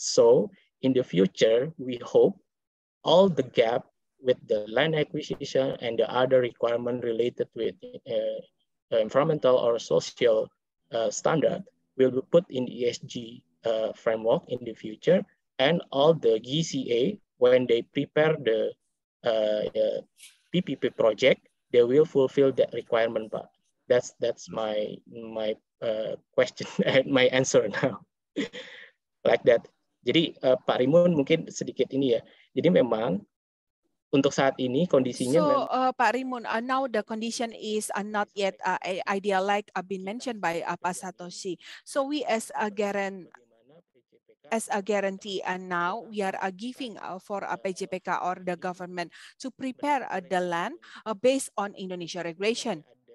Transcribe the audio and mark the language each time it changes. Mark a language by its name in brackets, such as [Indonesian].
[English] So in the future, we hope all the gap with the land acquisition and the other requirement related with environmental or social standard will be put in ESG framework in the future. And all the GCA, when they prepare the PPP project, they will fulfill that requirement. But that's my question and my answer now. Like that. [Indonesian] Jadi Pak Rimun mungkin sedikit ini ya. Jadi memang untuk saat ini kondisinya. [English] So Pak Rimun, now the condition is not yet ideal like been mentioned by Pak Satoshi. So we as a guarantee. As a guarantee, and now we are giving for a PJPK or the government to prepare the land based on Indonesia regulation.